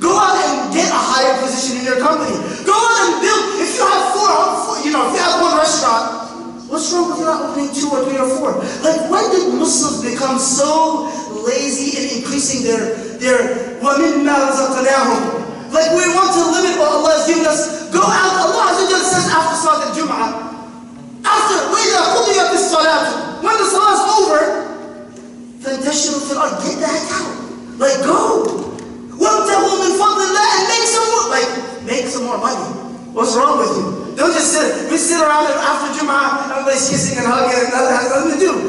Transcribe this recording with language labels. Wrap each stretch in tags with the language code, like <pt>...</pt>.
<en>Go out and get a higher position in your company. Go out and build, if you have if you have one restaurant, what's wrong with not opening 2 or 3 or 4? Like, when did Muslims become so lazy in increasing their</en> <ar>وَمِمَّا رَزَقْنَاهُمْ?</ar> <en>Like, we want to limit what Allah has given us. Go out, Allah says after Salat al-Jum'ah. After,</en> <ar>وَإِذَا قُضِيَ بِالصَّلَاةِ.</ar> <en>When the Salat is over,</en> <ar>فَانْتَشِرُوا فِي الْأَرْضِ.</ar> <en>Get the heck out. Like, go.</en> <ar>وَابْتَغُوا مِنْ فَضْلِ اللَّهِ.</ar> <en>And make some more, like, make some more money. What's wrong with you? Don't just sit. We sit around after Jum'ah, everybody's kissing and hugging, and another has nothing to do.</en>